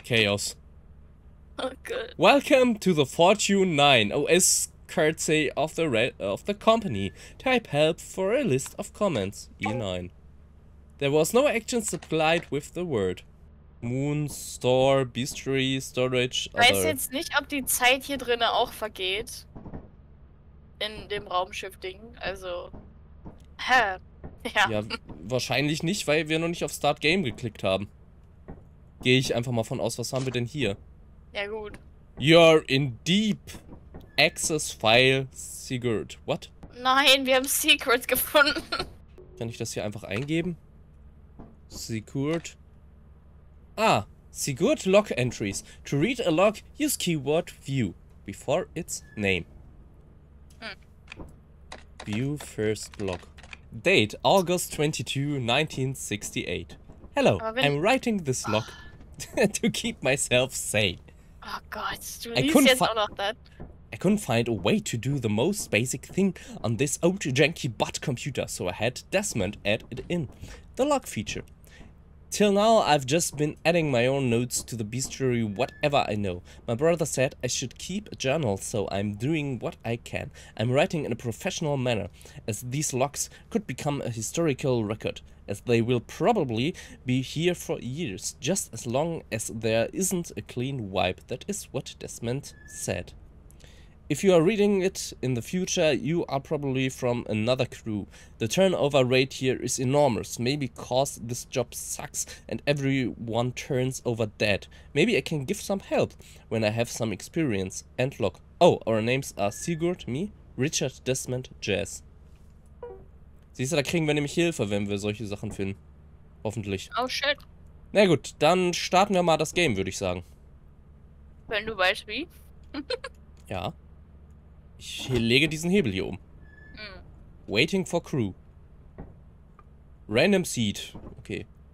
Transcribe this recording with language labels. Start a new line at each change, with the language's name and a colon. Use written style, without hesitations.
English: Chaos. Oh, welcome to the Fortune 9 OS courtesy of the company. Type help for a list of comments. E9. There was no action supplied with the word. Moon, store, bistry, storage, other.
German: Weiß jetzt nicht, ob die Zeit hier drinne auch vergeht. In dem Raumschiff-Ding, also. Hä? Ja. Wahrscheinlich nicht, weil wir noch nicht auf Start Game geklickt haben. Gehe ich einfach mal von aus, was haben wir denn hier? Ja, gut.
English: You're in deep access file secret. What?
German: Nein, wir haben Secret gefunden. Kann ich das hier einfach eingeben? Secret.
English: Ah, Secret Log Entries. To read a log, use keyword view before its name. View first log. Date, August 22, 1968. Hello, I'm writing this log to keep myself sane.
German: Oh Gott, du liest jetzt auch noch das.
English: I couldn't find a way to do the most basic thing on this old janky butt computer, so I had Desmond add it in. The lock feature. Till now, I've just been adding my own notes to the bestiary whatever I know. My brother said I should keep a journal, so I'm doing what I can. I'm writing in a professional manner, as these locks could become a historical record, as they will probably be here for years, just as long as there isn't a clean wipe. That is what Desmond said. If you are reading it in the future, you are probably from another crew. The turnover rate here is enormous, maybe cause this job sucks and everyone turns over dead. Maybe I can give some help when I have some experience. And look, oh, our names are Sigurd, me, Richard, Desmond, Jazz.
German: Siehst du, da kriegen wir nämlich Hilfe, wenn wir solche Sachen finden. Hoffentlich.
English: Oh shit.
German: Na gut, dann starten wir mal das Game, würde ich sagen. Wenn du weißt wie. Ja. Ich lege diesen Hebel hier um.
English: Waiting for crew. Random seed.
German: Okay.